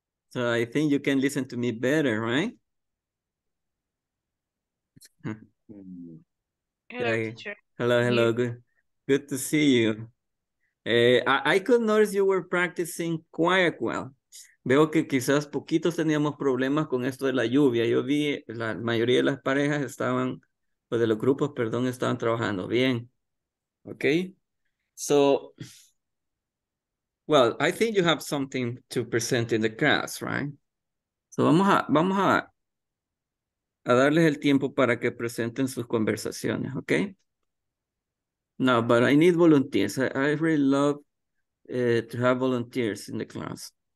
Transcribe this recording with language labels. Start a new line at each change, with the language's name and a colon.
English: So I think you can listen to me better, right? Hello, teacher. Hello, hello. Yeah. Good to see you. I could notice you were practicing quite well.
Spanish: Veo que quizás poquitos teníamos problemas con esto de la lluvia. Yo vi la mayoría de las parejas estaban, o de los grupos, perdón, estaban trabajando bien.
English: Okay. So, well, I think you have something to present in the class, right?
Spanish: So vamos a darles el tiempo para que presenten sus conversaciones, okay?
English: No, but I need volunteers. I really love to have volunteers in the class.